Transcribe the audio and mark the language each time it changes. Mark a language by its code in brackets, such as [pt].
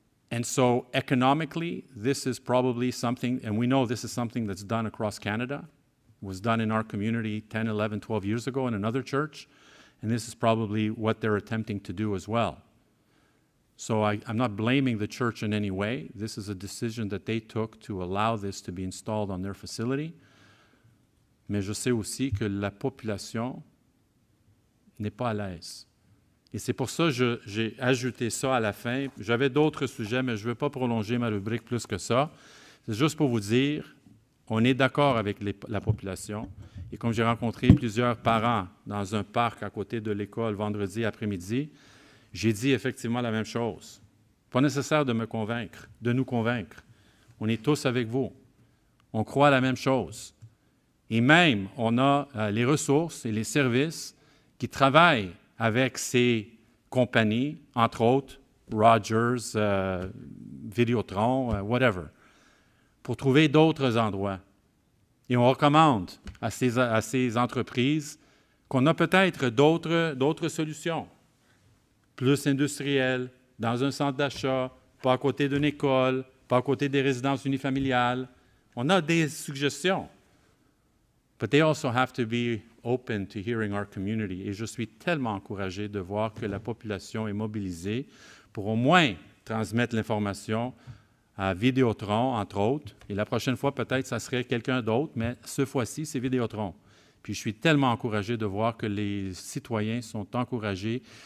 [en] And so economically, this is probably something, and we know this is something that's done across Canada. It was done in our community 10, 11, 12 years ago in another church, and this is probably what they're attempting to do as well. So I'm not blaming the church in any way. This is a decision that they took to allow this to be installed on their facility. [fr] Mais je sais aussi que la population n'est pas à l'aise. Et c'est pour ça que j'ai ajouté ça à la fin. J'avais d'autres sujets, mais je ne veux pas prolonger ma rubrique plus que ça. C'est juste pour vous dire, on est d'accord avec la population. Et comme j'ai rencontré plusieurs parents dans un parc à côté de l'école vendredi après-midi, j'ai dit effectivement la même chose. Pas nécessaire de me convaincre, de nous convaincre. On est tous avec vous. On croit à la même chose. Et même, on a les ressources et les services qui travaillent avec ces compagnies, entre autres Rogers, Vidéotron, whatever, pour trouver d'autres endroits. Et on recommande à ces entreprises qu'on a peut-être d'autres solutions. Plus industriel, dans un centre d'achat, pas à côté d'une école, pas à côté des résidences unifamiliales. On a des suggestions. [en] But they also have to be open to hearing our community. [fr] Et je suis tellement encouragé de voir que la population est mobilisée pour au moins transmettre l'information à Vidéotron, entre autres. Et la prochaine fois, peut-être, ça serait quelqu'un d'autre, mais ce fois-ci, c'est Vidéotron. Puis je suis tellement encouragé de voir que les citoyens sont encouragés